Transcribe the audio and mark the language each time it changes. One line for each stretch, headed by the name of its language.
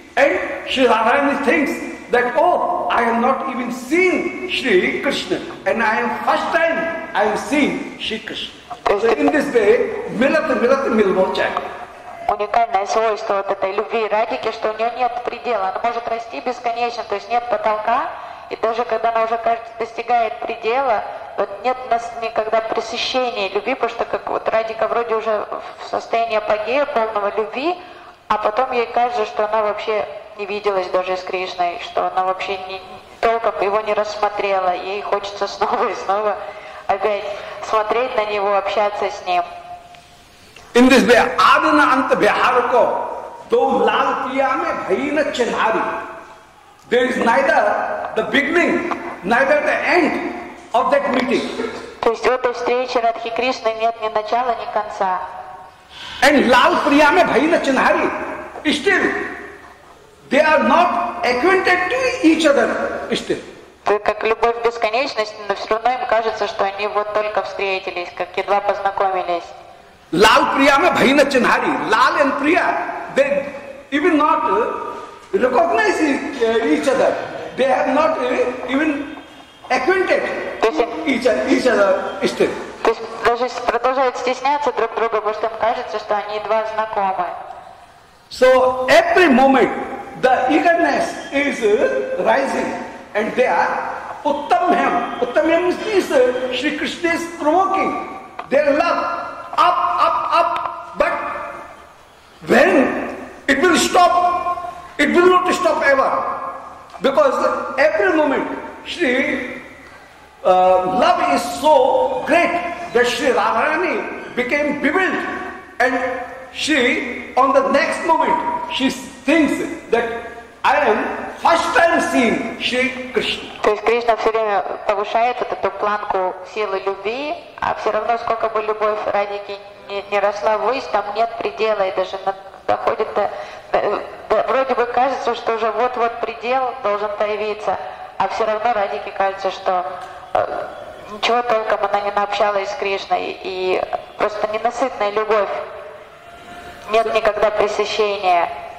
English: And Sri Radharani thinks that, oh, I have not even seen Sri Krishna, and I am first time I am seeing Sri Krishna. So in this way,
Hindi: milata milata milmocha.
Russian: Уникальное свойство вот этой любви Радики, что у нее нет предела. Она может расти бесконечно, то есть нет потолка. И даже когда она уже, кажется, достигает предела, вот нет у нас никогда пресыщения любви, потому что как вот Радика вроде уже в состоянии апогея полного любви, а потом ей кажется, что она вообще не виделась даже с Кришной, что она вообще не, толком его не рассмотрела. Ей хочется снова и снова опять смотреть на него, общаться с ним.
English: In this way,
Hindi: Adana Anta Vihara Ko,
English: though
Hindi: Lal Priya Me Bhaina Chinhari,
English: there is neither the beginning, neither the end of that meeting.
Russian: То есть в этой встрече Радхи Кришны нет ни начала, ни конца.
English: And
Hindi: Lal Priya Me Bhaina Chinhari,
English: still, they are not acquainted to each other, still.
Russian: Это как любовь в бесконечности, но все равно им кажется, что они вот только встретились, как едва познакомились.
Hindi: Lal Priya Me Bhaina Chinhari.
English: Lal and Priya, they even not recognize each other. They have not even acquainted each other still.
Russian: То есть даже продолжают стесняться друг друга, потому что им кажется, что они едва знакомы.
English: So every moment the eagerness is rising and they are Uttamhyam. Uttamhyam means Shri Krishna is provoking their love. Up, up, up, but when it will stop, it will not stop ever. Because every moment, Shri love is so great that Shri Radharani became bewildered. And she, on the next moment, she thinks that I am first time seeing Shri Krishna.
Russian: То есть Кришна все время повышает вот эту планку силы любви, а все равно, сколько бы любовь Радики не росла ввысь, там нет предела, и даже доходит до вроде бы кажется, что уже вот-вот предел должен появиться, а все равно Радике кажется, что ничего толком она не наобщалась с Кришной, и просто ненасытная любовь, нет никогда пресыщения.